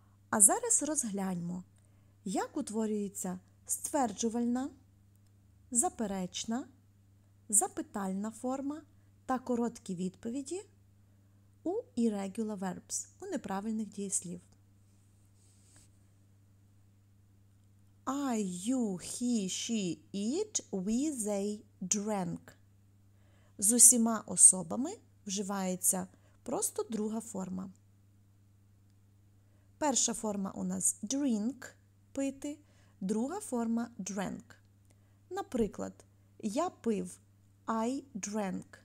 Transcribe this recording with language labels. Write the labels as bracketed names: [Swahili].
[Ukrainian] А зараз розгляньмо, як утворюється стверджувальна, заперечна, запитальна форма та короткі відповіді у [English] irregular verbs, [Ukrainian] у неправильних дієслів. [English] I, you, he, she, it, we, they, drank. [Ukrainian] З усіма особами вживається просто друга форма. Перша форма у нас drink – пити, друга форма drank. Наприклад, я пив – [English] I drank.